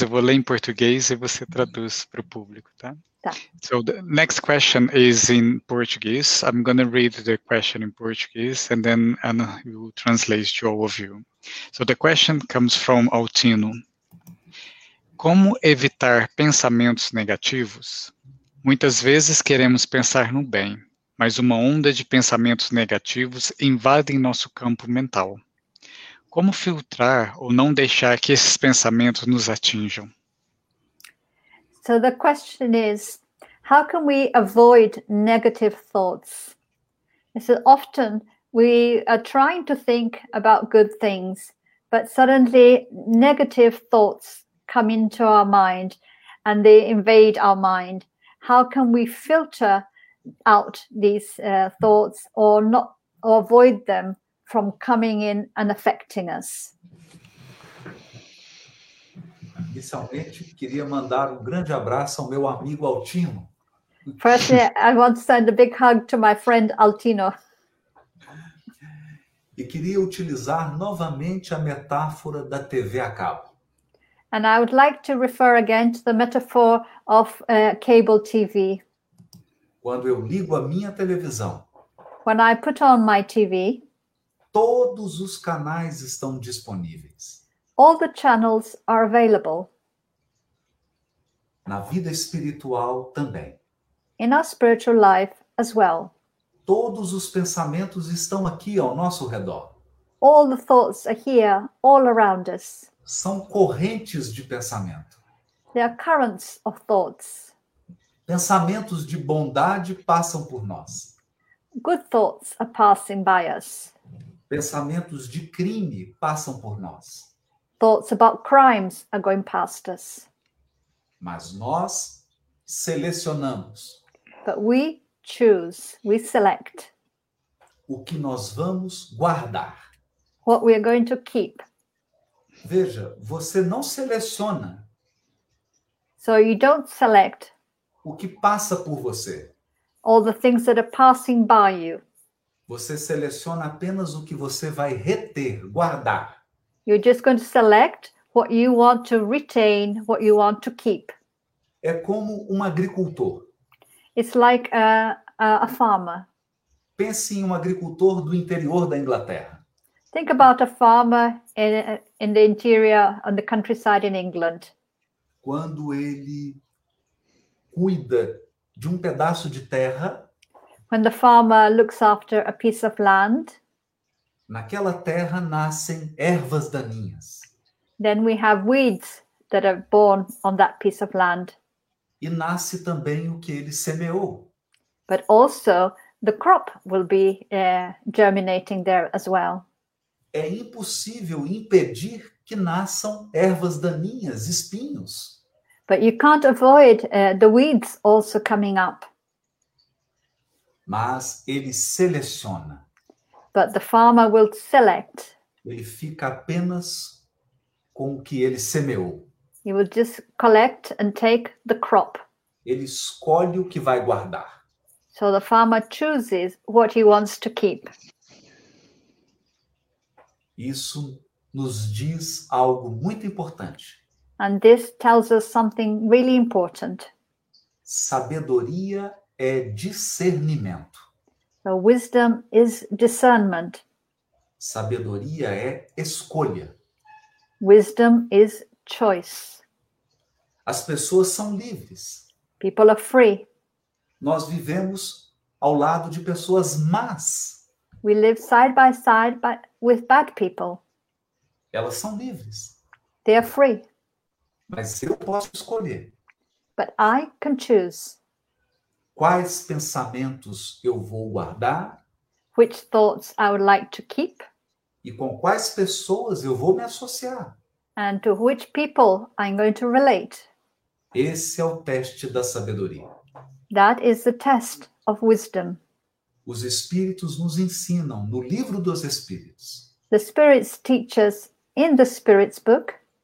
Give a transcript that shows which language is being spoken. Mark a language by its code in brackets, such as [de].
[pt] Eu vou ler em português e você traduz para o público, tá? Tá. [en] So the next question is in Portuguese. I'm going to read the question in Portuguese and then Ana will translate to all of you. So the question comes from Altino. [pt] Como evitar pensamentos negativos? Muitas vezes queremos pensar no bem, mas uma onda de pensamentos negativos invade nosso campo mental. Como filtrar ou não deixar que esses pensamentos nos atinjam? [en] So the question is, how can we avoid negative thoughts? So often we are trying to think about good things, but suddenly negative thoughts come into our mind and they invade our mind. How can we filter out these thoughts or avoid them from coming in and affecting us? [pt] Inicialmente, queria mandar um grande abraço ao meu amigo Altino. [en] Firstly, I want to send a big hug to my friend Altino. [pt] E queria utilizar novamente a metáfora da TV a cabo. [en] And I would like to refer again to the metaphor of cable TV. [pt] Quando eu ligo a minha televisão, [en] when I put on my TV, [pt] todos os canais estão disponíveis. [en] All the channels are available. [pt] Na vida espiritual também. [en] In our spiritual life as well. [pt] Todos os pensamentos estão aqui ao nosso redor. [en] All the thoughts are here, all around us. [pt] São correntes de pensamento. [en] They are currents of thoughts. [pt] Pensamentos de bondade passam por nós. [en] Good thoughts are passing by us. [pt] Pensamentos de crime passam por nós. [en] Thoughts about crimes are going past us. [pt] Mas nós selecionamos. [en] But we choose, we select. [pt] O que nós vamos guardar. [en] What we are going to keep. [pt] Veja, você não seleciona. [en] So you don't select. [pt] O que passa por você. [en] All the things that are passing by you. [pt] Você seleciona apenas o que você vai reter, guardar. [en] You're just going to select what you want to retain, what you want to keep. [pt] É como um agricultor. [en] It's like a farmer. [pt] Pense em um agricultor do interior da Inglaterra. [en] Think about a farmer in the interior, on the countryside in England. [pt] Quando ele cuida de um pedaço de terra, [en] when the farmer looks after a piece of land, [pt] naquela terra nascem ervas daninhas. [en] Then we have weeds that are born on that piece of land. [pt] E nasce também o que ele semeou. [en] But also the crop will be germinating there as well. [pt] É impossível impedir que nasçam ervas daninhas, espinhos. [en] But you can't avoid the weeds also coming up. [pt] Mas ele seleciona. [en] But the farmer will select. [pt] Ele fica apenas com o que ele semeou. [en] He will just collect and take the crop. [pt] Ele escolhe o que vai guardar. [en] So the farmer chooses what he wants to keep. [pt] Isso nos diz algo muito importante. [en] And this tells us something really important. [pt] Sabedoria é discernimento. [en] So wisdom is discernment. [pt] Sabedoria é escolha. [en] Wisdom is choice. [pt] As pessoas são livres. [en] People are free. [pt] Nós vivemos ao lado de pessoas más. [en] We live side by side with bad people. [pt] Elas são livres. [en] They are free. [pt] Mas eu posso escolher. [en] But I can choose. [pt] Quais pensamentos eu vou guardar? [en] Which thoughts I would like to keep? [pt] E com quais pessoas eu vou me associar? [en] And to which people I'm going to relate? [pt] Esse é o teste da sabedoria. [en] That is the test of wisdom. [pt] Os espíritos nos ensinam no livro dos espíritos. [en] The spirits teach us in the spirit's book.